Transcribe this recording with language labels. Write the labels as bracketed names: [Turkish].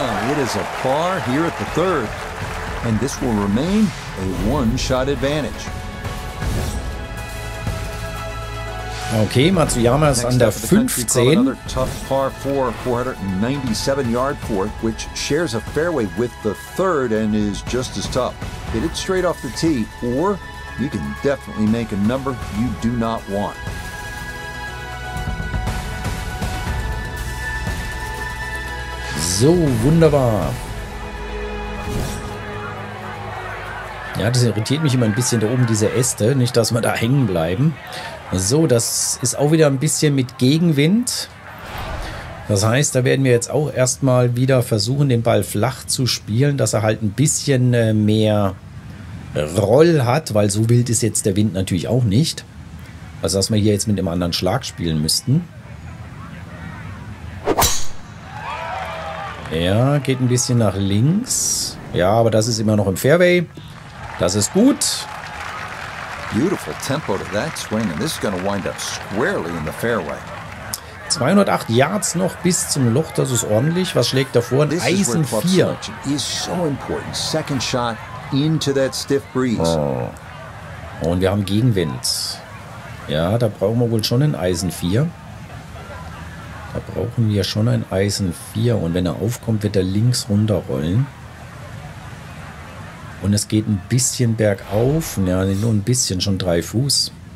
[English] It is a par here at the third, and this will remain a one-shot advantage. [German] Okay, Matsuyama ist an der 15. [English] Another tough par 4, 497-yard court, which shares a fairway with the third and is just as tough. Hit it straight off the tee, or you can definitely make a number you do not want. [German] So, wunderbar. Ja, das irritiert mich immer ein bisschen da oben, diese Äste. Nicht, dass wir da hängen bleiben. So, das ist auch wieder ein bisschen mit Gegenwind. Das heißt, da werden wir jetzt auch erstmal wieder versuchen, den Ball flach zu spielen, dass er halt ein bisschen mehr Roll hat, weil so wild ist jetzt der Wind natürlich auch nicht. Also, dass wir hier jetzt mit einem anderen Schlag spielen müssten. Ja, geht ein bisschen nach links. Ja, aber das ist immer noch im Fairway. Das ist gut. [English] Beautiful tempo to that swing and this is going to wind up squarely in the fairway. [German] 208 Yards noch bis zum Loch, das ist ordentlich. Was schlägt da vor? Ein Eisen 4. [English] Is so important. Second shot into that stiff breeze. [German] Oh. Und wir haben Gegenwind. Ja, da brauchen wir wohl schon ein Eisen 4. Da brauchen wir schon ein Eisen 4. Und wenn er aufkommt, wird er links runterrollen. Und es geht ein bisschen bergauf. Ja, nur ein bisschen, schon 3 Fuß.